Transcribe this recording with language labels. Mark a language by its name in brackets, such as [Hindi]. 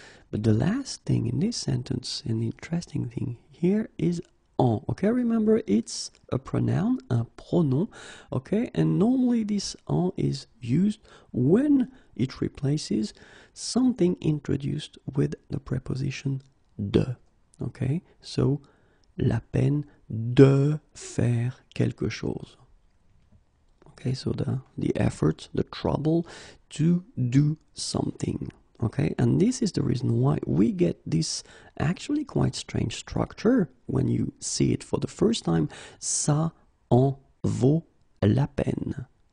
[English] But the last thing in this sentence, and the interesting thing here, is en. Okay, remember it's a pronoun, [French] un pronom. [English] Okay, and normally this en is used when it replaces something introduced with the preposition de. Okay, so [French] la peine de faire quelque chose. [English] Okay, so the effort, the trouble to do something. Okay, and this is the reason why we get this actually quite strange structure when you see it for the first time. [French] Ça en vaut la peine.